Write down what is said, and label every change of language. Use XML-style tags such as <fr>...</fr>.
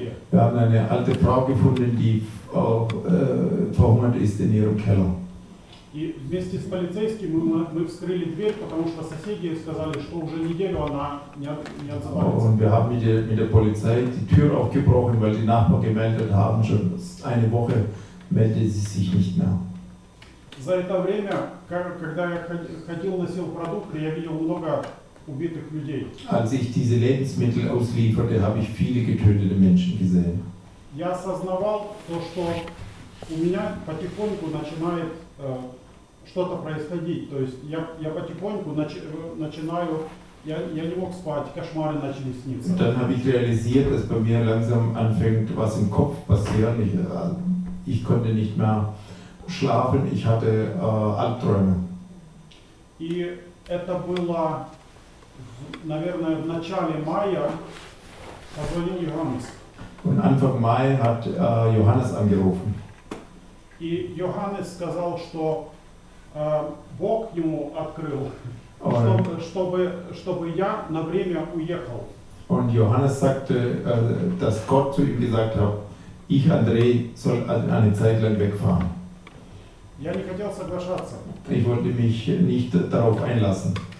<de>Wir haben eine alte Frau gefunden, die verhungert ist in ihrem Keller.</de> <ru>И вместе с полицейским мы вскрыли дверь, потому что соседи сказали, что уже неделю она не отзывается.</ru> <de>Und wir haben mit der Polizei die Tür aufgebrochen, weil die Nachbarn gemeldet haben, schon eine Woche meldet sie sich nicht mehr.</de> <ru>За это время, когда я ходил, носил продукты, я видел много убитых людей.</ru> <de>Als ich diese Lebensmittel auslieferte, habe ich viele getötete Menschen gesehen.</de> <ru>Я осознавал то, что у меня потихоньку начинает что-то происходить. То есть я потихоньку начинаю, я не мог спать, кошмары начали сниться.</ru> <de>Dann habe ich realisiert, dass bei mir langsam anfängt, was im Kopf passiert. Ich konnte nicht mehr schlafen, ich hatte Albträume.</de> <ru>И это было, наверное, в начале мая, позвонил Йоханнес.</ru> <de>Und Anfang Mai hat Johannes angerufen.</de> <ru>И Йоханнес сказал, что Бог ему открыл, чтобы я на время уехал.</ru> <de>Und Johannes sagte, dass Gott zu ihm gesagt hat, ich, Andrei, soll eine Zeit lang wegfahren.</de> <ru>Я не хотел соглашаться.</ru> <de>Ich wollte mich nicht darauf einlassen.</de>